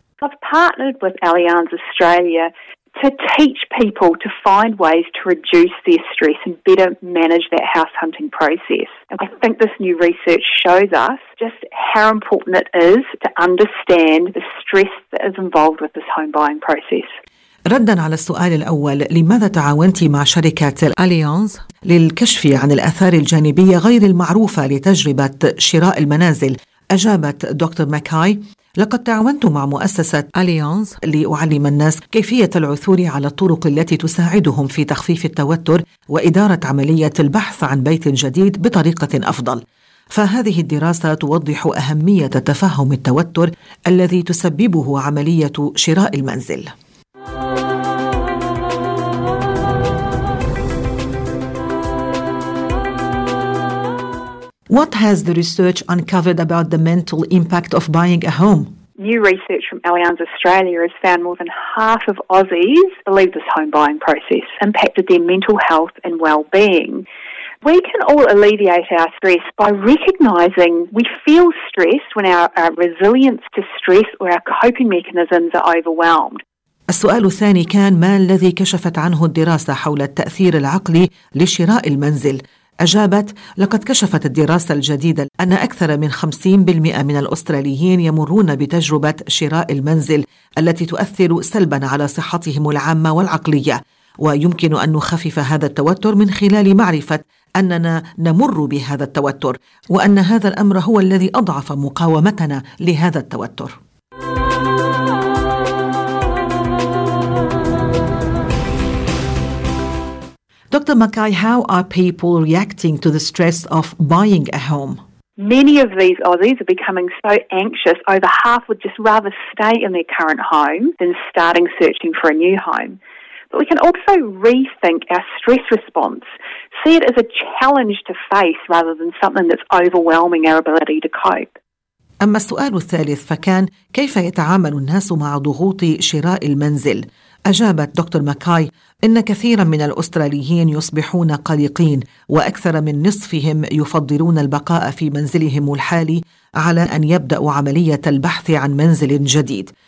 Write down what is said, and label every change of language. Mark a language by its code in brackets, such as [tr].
[en] I've partnered with Allianz Australia to teach people to find ways to reduce their stress and better manage that house hunting process. And I think this new research shows us just how important it is to understand the stress that is involved with this home buying process. [ar] ردا على السؤال الأول، لماذا تعاونت مع شركة الأليانز للكشف عن الأثار الجانبية غير المعروفة لتجربة شراء المنازل؟ أجابت دكتور ماكاي: لقد تعاونت مع مؤسسة أليانز لأعلم الناس كيفية العثور على الطرق التي تساعدهم في تخفيف التوتر وإدارة عملية البحث عن بيت جديد بطريقة أفضل. فهذه الدراسة توضح أهمية تفهم التوتر الذي تسببه عملية شراء المنزل. [en] What has the research uncovered about the mental impact of buying a home? New research from Allianz Australia has found more than half of Aussies believe this home buying process impacted their mental health and well-being. We can all alleviate our stress by recognising we feel stressed when our resilience to stress or our coping mechanisms are overwhelmed. [ar] السؤال الثاني كان: ما الذي كشفت عنه الدراسة حول التأثير العقلي لشراء المنزل؟ أجابت: لقد كشفت الدراسة الجديدة أن أكثر من 50% من الأستراليين يمرون بتجربة شراء المنزل التي تؤثر سلباً على صحتهم العامة والعقلية، ويمكن أن نخفف هذا التوتر من خلال معرفة أننا نمر بهذا التوتر وأن هذا الأمر هو الذي أضعف مقاومتنا لهذا التوتر. [en] Dr. ماكاي, how are people reacting to the stress of buying a home? Many of these Aussies are becoming so anxious, over half would just rather stay in their current home than starting searching for a new home. But we can also rethink our stress response, see it as a challenge to face rather than something that's overwhelming our ability to cope. [ar] أما السؤال الثالث فكان: كيف يتعامل الناس مع ضغوط شراء المنزل؟ أجابت دكتور ماكاي إن كثيرا من الأستراليين يصبحون قلقين، وأكثر من نصفهم يفضلون البقاء في منزلهم الحالي على أن يبدأوا عملية البحث عن منزل جديد.